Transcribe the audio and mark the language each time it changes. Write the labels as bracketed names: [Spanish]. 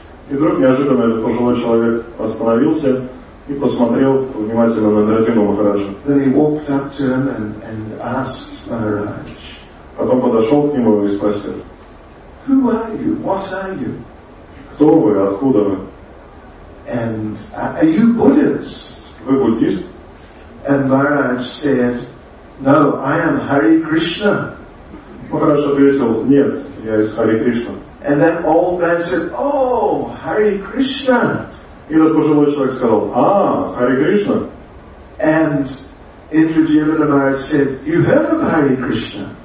[Russian] И вдруг неожиданно этот пожилой человек остановился и посмотрел внимательно на Индраджиму Махараджа. [English] Then he walked up to him and asked Maharaj. [Russian] Потом подошел к нему и спросил. [English] Who are you? What are you? [Russian] Кто вы? Откуда вы? [English] And are you Buddhist? [Russian] Вы буддист? [English] And Maharaj said, No, I am Hare Krishna. [Russian] Махарадж ответил, нет, я из Харе Кришна. [English] And that old man said, Oh, Hare Krishna. [Russian] И этот пожилой человек сказал, А, Hare Krishna. [English] And Indrajivana Maharaj said, You heard of Hare Krishna?